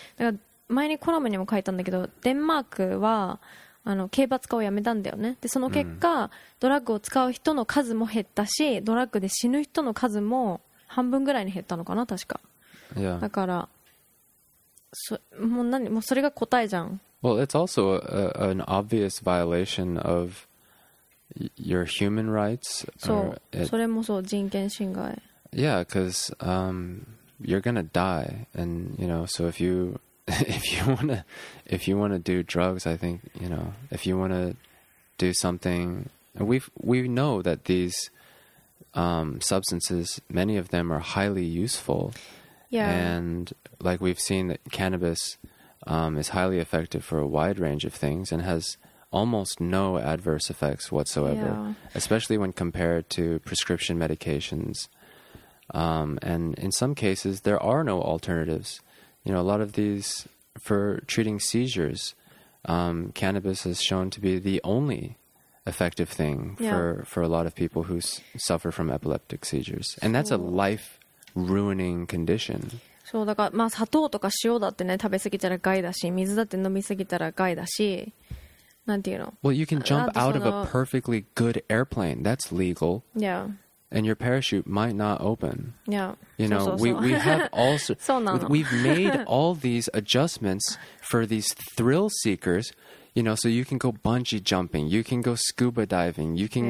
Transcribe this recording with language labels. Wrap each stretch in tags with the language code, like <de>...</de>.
<ja>だから前にコラムにも書いたんだけどデンマークはあの刑罰化をやめたんだよね。でその結果、うん、ドラッグを使う人の数も減ったしドラッグで死ぬ人の数も半分ぐらいに減ったのかな確か、</ja> <en>yeah.</en> <ja>だからもうそれが答えじゃん。</ja> <en>Well, it's also an obvious violation of your human rights.</en> <ja>そう、それもそう人権侵害。</ja> <en>Yeah, because、you're gonna die, and you know. So if you wanna do drugs, I think you know. If you wanna do something, we know that these、substances, many of them are highly useful. Yeah. And like we've seen that cannabis、is highly effective for a wide range of things and has almost no adverse effects whatsoever,、 yeah. especially when compared to prescription medications. And in some cases, there are no alternatives. You know, a lot of these for treating seizures,、cannabis has shown to be the only effective thing、 yeah. for a lot of people who suffer from epileptic seizures. And that's a life-ruining condition.</en> <ja>そうだから、まあ、砂糖とか塩だってね、食べ過ぎたら害だし、水だって飲み過ぎたら害だし、なんていうの?</ja> <en>Well, you can jump out of a perfectly good airplane. That's legal. Yeah. And your parachute might not open. Yeah. You know, we have also... we've made all these adjustments for these thrill seekers, you know, so you can go bungee jumping, you can go scuba diving, you can、</en>